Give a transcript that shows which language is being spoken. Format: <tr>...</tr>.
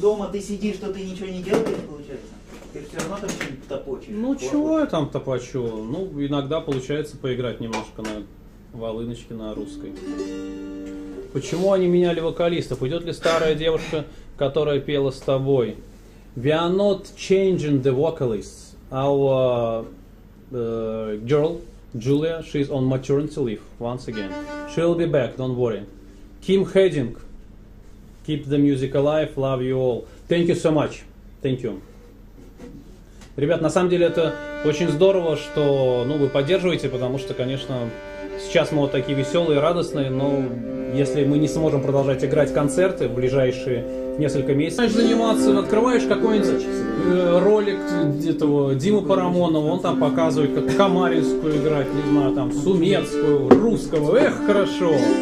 <ru>дома ты сидишь, то ты ничего не делаешь, получается. Ты все равно там что-нибудь топочешь. Ну, чего я там топочу? Ну, иногда получается поиграть немножко на волыночке, на русской. Почему они меняли вокалистов? Уйдет ли старая девушка, которая пела с тобой?</ru> <en>We are not changing the vocalists. Our girl, Julia, she is on maternity leave once again. She will be back, don't worry. Kim Heading, keep the music alive, love you all. Thank you so much. Thank you.</en> <ru>Ребят, на самом деле это очень здорово, что ну, вы поддерживаете, потому что, конечно, сейчас мы вот такие веселые, радостные, но если мы не сможем продолжать играть концерты в ближайшие несколько месяцев. Начинаешь заниматься, открываешь какой-нибудь ролик этого Димы Парамонова, он там показывает, как Камаринскую играть, не знаю, там, Сумецкую, Русского, эх, хорошо!</ru>